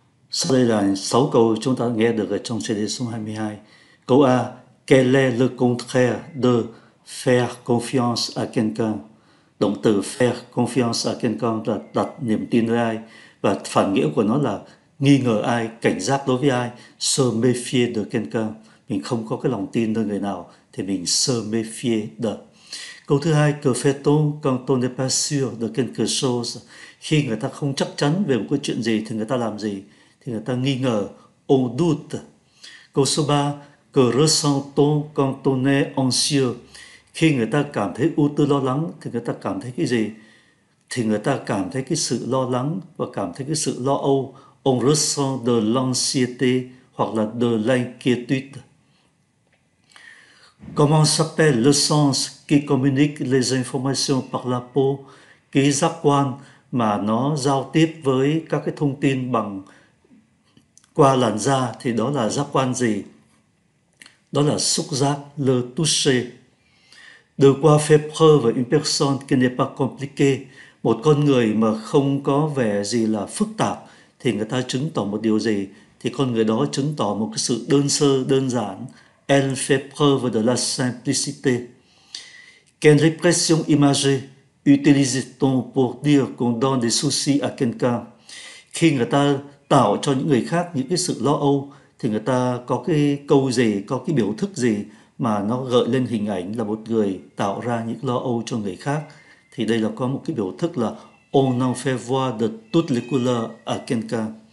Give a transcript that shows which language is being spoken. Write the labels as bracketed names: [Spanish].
[Vietnamese] Sau đây là 6 câu chúng ta nghe được ở trong CD số 22. Câu A. [French] Quel est le contraire de faire confiance à quelqu'un? [Vietnamese] Động từ [French] faire confiance à quelqu'un [Vietnamese] là đặt niềm tin với ai. Và phản nghĩa của nó là nghi ngờ ai, cảnh giác đối với ai. [French] Se méfier de quelqu'un. [Vietnamese] Mình không có cái lòng tin nơi người nào thì mình [French] se méfier de. [Vietnamese] Câu thứ hai. [French] Que fait-on quand on n'est pas sûr de quelque chose? [Vietnamese] Khi người ta không chắc chắn về một cái chuyện gì thì người ta làm gì? Thì người ta nghi ngờ, [French] on doute. [Vietnamese] Câu số 3, [French] que ressent-on quand on est anxieux? [Vietnamese] Khi người ta cảm thấy ưu tư lo lắng thì người ta cảm thấy cái gì? Thì người ta cảm thấy cái sự lo lắng và cảm thấy cái sự lo âu. [French] On ressent de l'anxiété [Vietnamese] hoặc là [French] de l'inquiétude. Comment s'appelle le sens qui communique les informations par la peau? [Vietnamese] Cái giác quan mà nó giao tiếp với các cái thông tin bằng qua làn da thì đó là giác quan gì? Đó là xúc giác, le toucher. [French] De quoi fait preuve une personne qui n'est pas compliquée? [Vietnamese] Một con người mà không có vẻ gì là phức tạp thì người ta chứng tỏ một điều gì? Thì con người đó chứng tỏ một cái sự đơn sơ, đơn giản. [French] Elle fait preuve de la simplicité. Quelle expression imagée utilise-t-on pour dire qu'on donne des soucis à quelqu'un? [Vietnamese] Khi người ta tạo cho những người khác những cái sự lo âu, thì người ta có cái câu gì, có cái biểu thức gì mà nó gợi lên hình ảnh là một người tạo ra những lo âu cho người khác? Thì đây là có một cái biểu thức là [French] on en fait voir de toutes les couleurs à quelqu'un.